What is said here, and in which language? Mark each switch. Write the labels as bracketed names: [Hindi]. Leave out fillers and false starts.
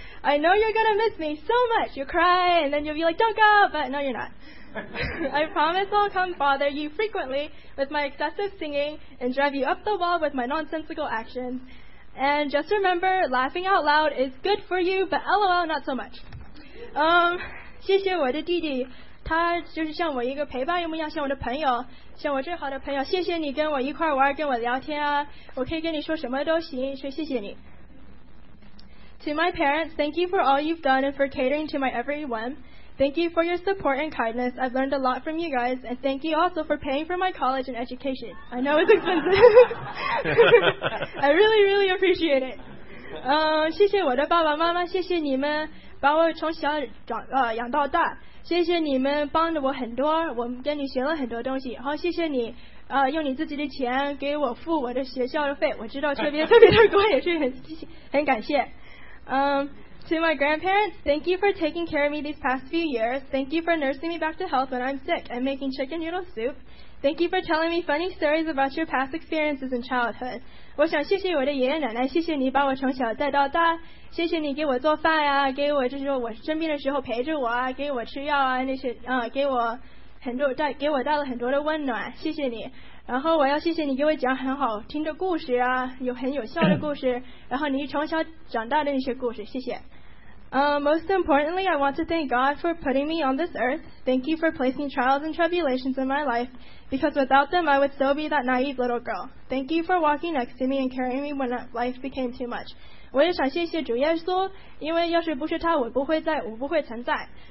[English] I know you're gonna miss me so much. You'll cry and then you'll be like, don't go, but no, you're not. I promise I'll come bother you frequently with my excessive singing and drive you up the wall with my nonsensical actions. And just remember, laughing out loud is good for you, but LOL, not so much. [Chinese] 谢谢我的弟弟，他就是像我一个陪伴一样，像我的朋友，像我最好的朋友。谢谢你跟我一块玩，跟我聊天啊，我可以跟你说什么都行，所以谢谢你。 [English] To my parents, thank you for all you've done and for catering to my every whim. Thank you for your support and kindness. I've learned a lot from you guys, and thank you also for paying for my college and education. I know it's expensive. I really, really appreciate it. [Chinese] 谢谢我的爸爸妈妈，谢谢你们。把我从小长养到大，谢谢你们帮着我很多，我跟你学了很多东西，好，谢谢你用你自己的钱给我付我的学校的费，我知道特别特别的贵，也是很感谢。 [English] To my grandparents, thank you for taking care of me these past few years. Thank you for nursing me back to health when I'm sick and making chicken noodle soup. Thank you for telling me funny stories about your past experiences in childhood. [Chinese] 我想谢谢我的爷爷奶奶，谢谢你把我从小带到大，谢谢你给我做饭啊，给我就是说我生病的时候陪着我啊，给我吃药啊那些给我很多给我带了很多的温暖，谢谢你。然后我要谢谢你给我讲很好听的故事啊，有很有效的故事，然后你从小长大的那些故事，谢谢。 [English] Most importantly, I want to thank God for putting me on this earth. Thank you for placing trials and tribulations in my life, because without them, I would still be that naive little girl. Thank you for walking next to me and carrying me when life became too much. [Chinese] 我也想谢谢主耶稣，因为要是不是他，我不会存在。